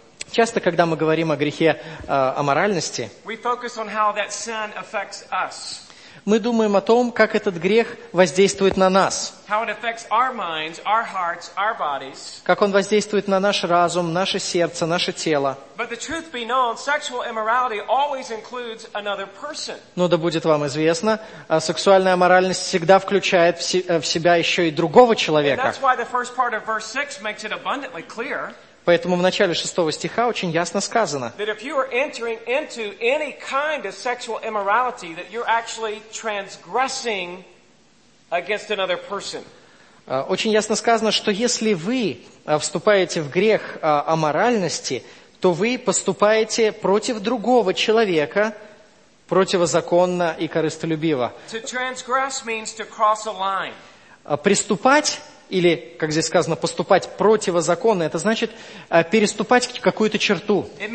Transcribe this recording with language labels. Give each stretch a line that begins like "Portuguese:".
Russian: Часто, когда мы говорим о грехе аморальности, мы фокусируем на том, как этот грех
English: affects
Russian: нас. Мы думаем о том, как этот грех воздействует на нас.
English: How it affects our minds, our hearts, our bodies.
Russian: Как он воздействует на наш разум, наше сердце, наше тело.
English: But the truth be known, sexual immorality always includes another person.
Russian: Но да будет вам известно, сексуальная аморальность всегда включает в себя еще и другого человека.
English: And that's why the first part of verse 6 makes it abundantly clear.
Russian: Поэтому в начале шестого стиха очень ясно сказано,
English: kind of sexual immorality, that you're actually transgressing against another person.
Russian: Очень ясно сказано, что если вы вступаете в грех аморальности, то вы поступаете против другого человека противозаконно и корыстолюбиво.
English: To transgress means to cross a line.
Russian: приступать, или, как здесь сказано, поступать противозаконно, это значит переступать какую-то черту.